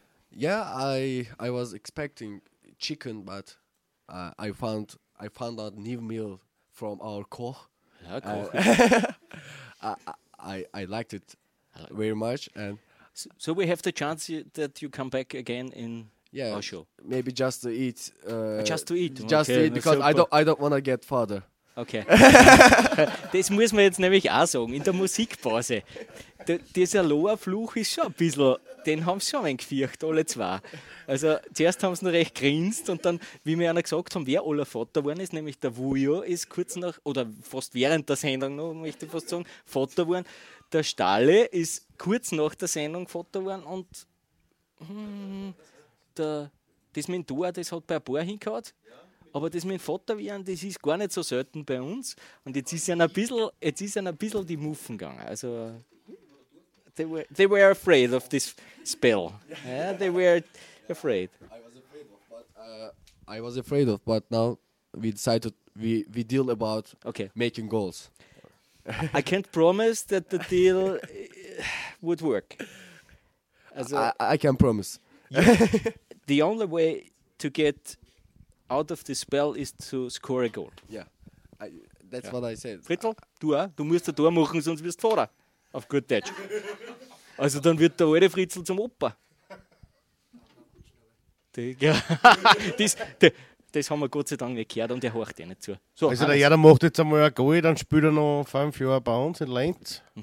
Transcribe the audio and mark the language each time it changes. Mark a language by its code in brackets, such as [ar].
[en] Yeah, I was expecting chicken, but I found a new meal from our Koch. [de] Ja, Koch. [en] I liked it very much. And so we have the chance that you come back again in Osho. Maybe just to eat. Just to eat. Just to eat, because I don't want to get further. Okay. [de] Das muss man jetzt nämlich auch sagen, in der Musikpause. Dieser Loa-Fluch ist schon ein bisschen, den haben sie schon ein wenig gefürcht, alle zwei. Also zuerst haben sie noch recht grinst und dann, wie mir einer gesagt haben, wer aller Vater geworden ist, nämlich der Vujo ist kurz nach, oder fast während der Sendung noch, möchte ich fast sagen, Vater geworden. Der Stalle ist kurz nach der Sendung Vater geworden und das mit dem Tor, das hat bei ein paar hingehört. Aber das mit dem Vater werden, das ist gar nicht so selten bei uns. Und jetzt ist ein bisschen die Muffen gegangen. [en] Also, they were afraid of this spell. Yeah, they were afraid. I was afraid of, but now we decided we deal about making goals. I can't promise that the deal would work. Also, I can promise. The only way to get out of the spell is to score a goal. Yeah, that's what I said. [de] Frittl, du musst ein Tor machen, sonst wirst du Vater. Auf gut Deutsch. Also dann wird der alte Fritzl zum Opa. das haben wir Gott sei Dank nicht gehört und der horcht eh nicht zu. So, also der Herr macht jetzt einmal ein Goal, dann spielt er noch 5 Jahre bei uns in Lenz.